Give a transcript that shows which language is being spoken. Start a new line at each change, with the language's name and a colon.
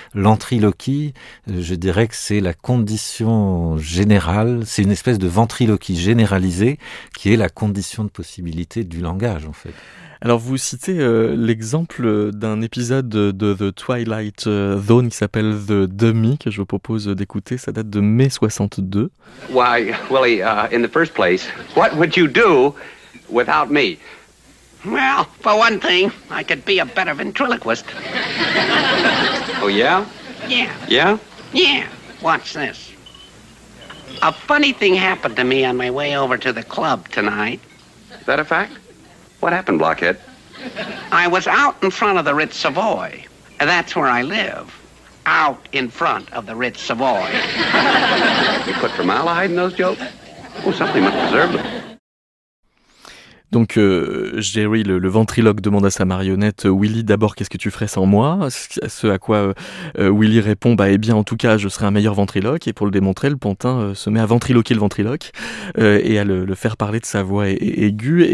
French: L'entriloquie, je dirais que c'est la condition générale, c'est une espèce de ventriloquie généralisée qui est la condition de possibilité du langage, en fait. Alors, vous citez l'exemple d'un épisode de The Twilight Zone qui s'appelle The Dummy, que je vous propose d'écouter. Ça date de mai 62.
English: Why, Willie, in the first place, what would you do without me? Well, for one thing, I could be a better ventriloquist. Oh, yeah? Yeah. Yeah? Yeah. Watch this. A funny thing happened to me on my way over to the club tonight. Is that a fact? What happened, Blockhead? I was out in front of the Ritz Savoy. That's where I live. Out in front of the Ritz Savoy. You put formaldehyde in those jokes? Oh, something must preserve them.
French: Donc, Jerry, le ventriloque, demande à sa marionnette, Willy, d'abord, qu'est-ce que tu ferais sans moi? Ce à quoi Willy répond, en tout cas, je serais un meilleur ventriloque. Et pour le démontrer, le pantin se met à ventriloquer le ventriloque et à le faire parler de sa voix aiguë.